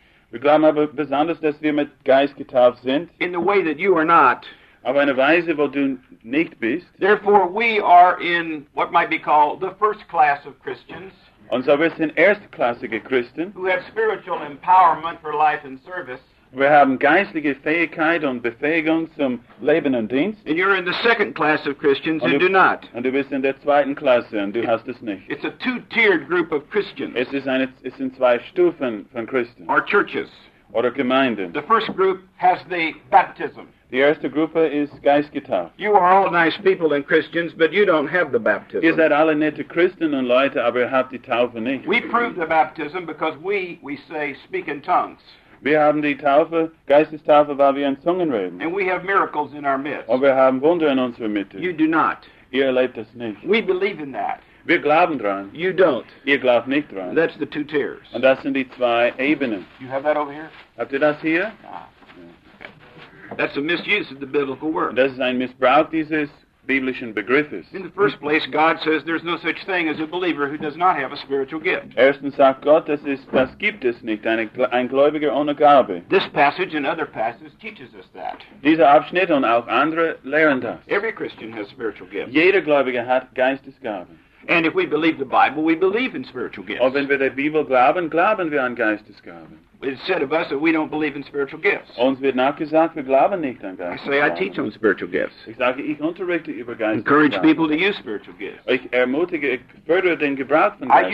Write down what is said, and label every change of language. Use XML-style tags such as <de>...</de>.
<de>Wir glauben aber besonders, dass wir mit Geist getauft sind.</de> <en>In the way that you are not.</en> <de>Auf eine Weise, wo du nicht bist.</de> <en>Therefore, we are in what might be called the first class of Christians.</en> <de>Und so wir sind erstklassige Christen.</de> <en>Who have spiritual empowerment for life and service.</en> <de>Wir haben geistliche Fähigkeit und Befähigung zum Leben und Dienst.</de> <en>And you're in the second class of Christians who do not.</en> <de>Und du bist in der zweiten Klasse und du hast es nicht.</de> <en>It's a two-tiered group of Christians.</en> <de>Es sind zwei Stufen von Christen.</de> <en>Or churches.</en> <de>Oder Gemeinden.</de> <en>The first group has the baptism.</en> <de>Die erste Gruppe ist geistgetauft.</de> <en>You are all nice people and Christians, but you don't have the baptism.</en> <de>Ihr seid alle nette Christen und Leute, aber ihr habt die Taufe nicht.</de> <en>We prove the baptism because we say speak in tongues.</en> <de>Wir haben die Taufe, Geistestaufe, weil wir in Zungen reden.</de> <en>And we have miracles in our midst.</en> <de>Und wir haben Wunder in unserer Mitte.</de> <en>You do not.</en> <de>Ihr erlebt das nicht.</de> <en>We believe in that.</en> <de>Wir glauben dran.</de> <en>You don't.</en> <de>Ihr glaubt nicht dran.</de> <en>That's the two tiers.</en> <de>Und das sind die zwei Ebenen.</de> <en>You have that over here?</en> <de>Habt ihr das hier?</de> <en>That's a misuse of the biblical word.</en> <de>Das ist ein Missbrauch dieses biblischen Begriffes.</de> <en>In the first place, God says there's no such thing as a believer who does not have a spiritual gift.</en> <de>Erstens sagt Gott, das gibt es nicht, ein Gläubiger ohne Gabe.</de> <en>This passage and other passages teaches us that.</en> <de>Dieser Abschnitt und auch andere lehren das.</de> <en>Every Christian has a spiritual gift.</en> <de>Jeder Gläubige hat Geistesgaben.</de> <en>And if we believe the Bible, we believe in spiritual gifts.</en> <de>Und wenn wir der Bibel glauben, glauben wir an Geistesgaben.</de> <en>It's said of us that we don't believe in spiritual gifts.</en> <de>Uns wird nach gesagt, wir glauben nicht an Geistesgaben.</de> <en>I say I teach on spiritual gifts.</en> <de>Ich sage, ich unterrichte über Geistesgaben.</de> <en>Encourage people to use spiritual gifts.</en> <de>Ich ermutige, ich fördere den Gebrauch von Geistesgaben.</de>